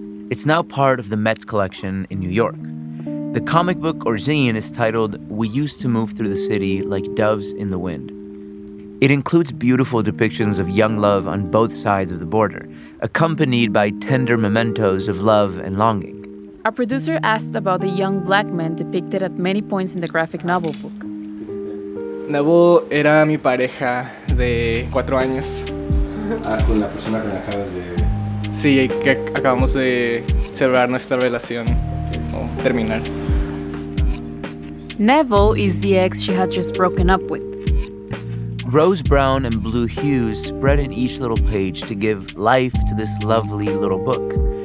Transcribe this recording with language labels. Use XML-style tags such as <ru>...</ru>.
<en>It's now part of the Metz collection in New York. The comic book or zine is titled We Used to Move Through the City Like Doves in the Wind. It includes beautiful depictions of young love on both sides of the border, accompanied by tender mementos of love and longing. Our producer asked about the young black man depicted at many points in the graphic novel book.</en> <es>Nabo era mi pareja de 4 años. Con la persona que acabas de... Sí, que acabamos de cerrar nuestra relación. Terminar.</es> <en>Neville is the ex she had just broken up with. Rose brown and blue hues spread in each little page to give life to this lovely little book.</en>